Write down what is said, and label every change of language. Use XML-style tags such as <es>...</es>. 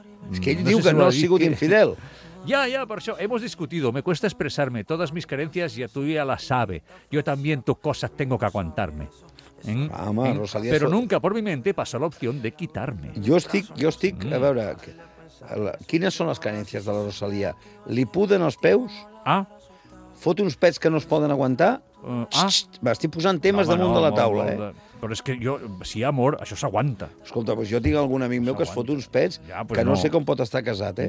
<ca>És que ell diu que no ha sigut infidel. Ja, per això.</ca> <es>Hemos discutido. Me cuesta expresarme. Todas mis carencias ya tú ya las sabe. Yo también tus cosas tengo que aguantarme. Rosalía, pero nunca por mi mente pasó la opción de quitarme.</es> <ca>Jo estic... A veure, quines són les carencias de la Rosalía? Li puden els peus... Ah. Fot uns pets que no es poden aguantar. Estic posant temes damunt de la taula. però és que jo, si hi ha amor, això s'aguanta. Escolta, doncs jo tinc algun amic meu que es fot uns pets que no sé com pot estar casat, eh?</ca>